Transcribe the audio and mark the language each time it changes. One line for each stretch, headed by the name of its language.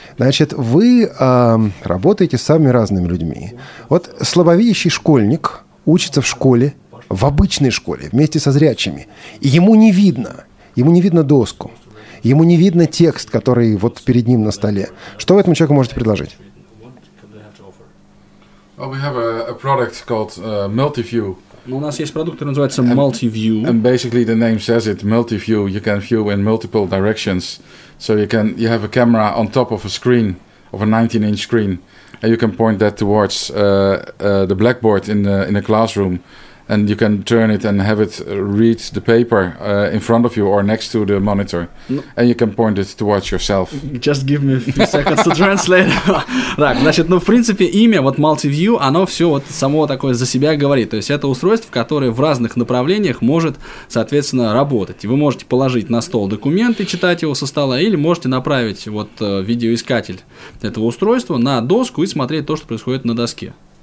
Russian: Значит, вы работаете с самыми разными людьми. Вот слабовидящий школьник учится в школе, в обычной школе, вместе со зрячими. И ему не видно. Ему не видно доску. Ему не видно текст, который вот перед ним на столе. Что вы этому человеку можете предложить?
English: Well, we have a product called MultiView.
Russian: Ну, у нас есть продукт, который называется MultiView.
English: And basically the name says it, MultiView. You can view in multiple directions. So you have a camera on top of a screen, of a 19-inch screen. And you can point that towards the blackboard in the classroom, and you can turn it and have it read the paper in front of you or next to the monitor. And you can point it towards yourself. Just give me a few seconds to translate.
Russian: Так, значит, ну, в принципе, имя, вот MultiView, оно все вот само такое за себя говорит. То есть это устройство, которое в разных направлениях может, соответственно, работать. И вы можете положить на стол документ и читать его со стола, или можете направить вот видеоискатель этого устройства на доску и смотреть то, что происходит на доске.